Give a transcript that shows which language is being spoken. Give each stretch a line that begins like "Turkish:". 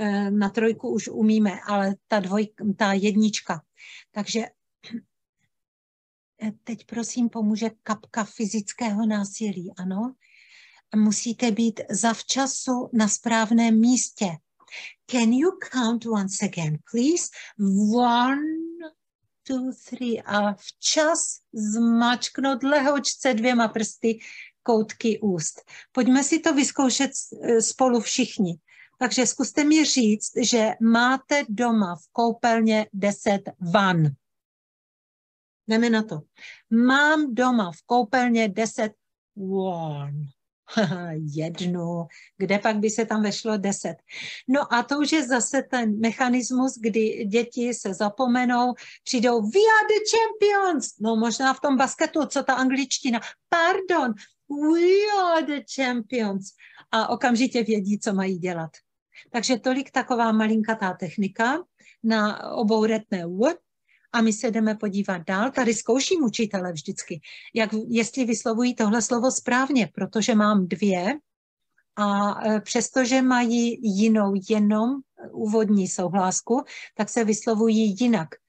Czech: na trojku už umíme, ale ta jednička. Takže teď prosím pomůže kapka fyzického násilí, ano. Musíte být zavčasu na správném místě.
English: Can you count once again, please? One, two, three.
Czech: A včas zmačknout lehočce dvěma prsty koutky úst. Pojďme si to vyzkoušet spolu všichni. Takže zkuste mi říct, že máte doma v koupelně 10 van. Jdeme na to. Mám doma v koupelně 10 van. Jednu. Kde pak by se tam vešlo 10? No a to už je zase ten mechanismus, kdy děti se zapomenou, přijdou,
English: we are the champions.
Czech: No možná v tom basketu, co ta angličtina.
English: Pardon, we are the champions.
Czech: A okamžitě vědí, co mají dělat. Takže tolik taková malinkatá technika na obouretné what. A my se jdeme podívat dál. Tady zkouším učitele vždycky, jestli vyslovují tohle slovo správně, protože mám dvě a přestože mají jinou jenom úvodní souhlásku, tak se vyslovují jinak.